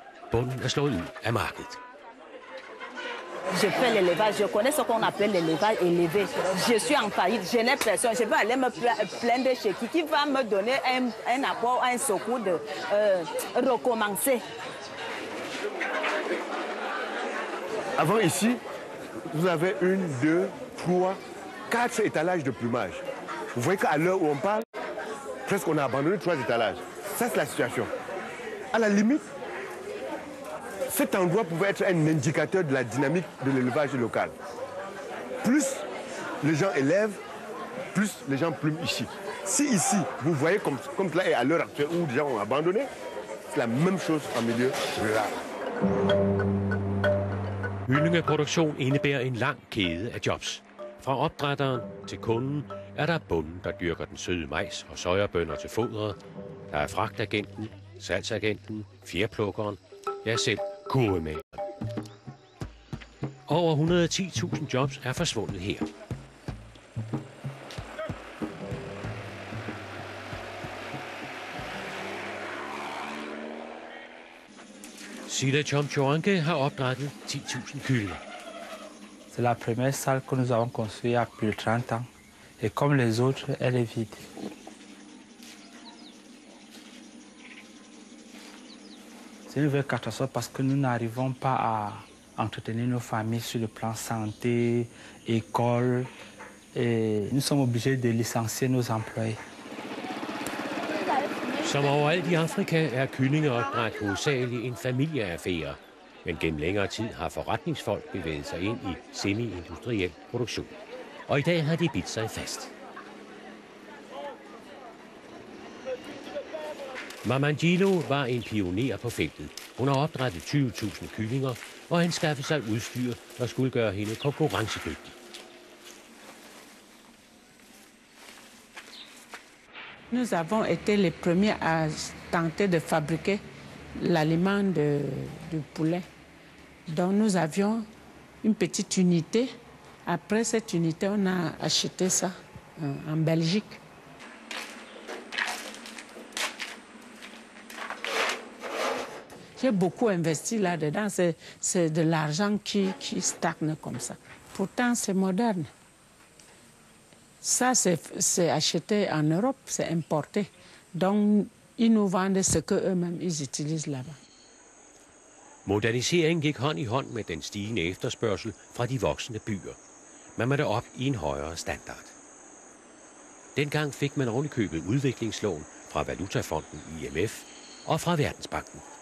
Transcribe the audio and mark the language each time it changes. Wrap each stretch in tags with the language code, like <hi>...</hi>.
<da>Bunden er slået ud af markedet.</da> <fr>Je fais l'élevage, je connais ce qu'on appelle l'élevage élevé. Je suis en faillite, je n'ai personne. Je vais aller me plaindre chez qui va me donner un apport, un secours de recommencer. Avant ici, vous avez une, deux, trois, quatre étalages de plumage. Vous voyez qu'à l'heure où on parle, presque on a abandonné trois étalages. Ça, c'est la situation. À la limite, cet endroit pouvait être un indicateur de la dynamique de l'élevage local. Plus les gens élèvent, plus les gens plument ici. Si ici, vous voyez comme cela est à l'heure actuelle où les gens ont abandonné, c'est la même chose en milieu rural.</fr> <da>Kyllingeproduktion indebærer en lang kæde af jobs. Fra opdrætteren til kunden er der bonden, der dyrker den søde majs og sojabønner til fodret. Der er fragtagenten, salgsagenten, fjerplukkeren, ja selv kurvemageren. Over 110.000 jobs er forsvundet her. Sida Chomchoanke har opdrættet 10.000 kyllinger.</da> <fr>C'est la première salle que nous avons construite après 30 ans et comme les autres, elle est vide. C'est une vraie catastrophe parce que nous n'arrivons pas à entretenir nos familles sur le plan santé, école et nous sommes obligés de licencier nos employés.</fr> <da>Som overalt i Afrika er kyllingeopdræt hovedsageligt en familieaffære, men gennem længere tid har forretningsfolk bevæget sig ind i semi-industriel produktion. Og i dag har de bidt sig fast. Mamangilo var en pioner på feltet. Hun har opdrættet 20.000 kyllinger, og han skaffede sig udstyr, der skulle gøre hende konkurrencedygtig.</da> <fr>Nous avons été les premiers à tenter de fabriquer l'aliment du poulet. Donc nous avions une petite unité. Après cette unité, on a acheté ça en Belgique. J'ai beaucoup investi là-dedans. C'est de l'argent qui stagne comme ça. Pourtant, c'est moderne. Ça, c'est acheté en Europe, c'est importé. Donc, ils nous vendent ce qu'eux-mêmes, ils utilisent là-bas.</fr> <da>Moderniseringen gik hånd i hånd med den stigende efterspørgsel fra de voksende byer. Man måtte op i en højere standard. Dengang fik man ovenikøbet udviklingslån fra Valutafonden IMF og fra Verdensbanken.</da>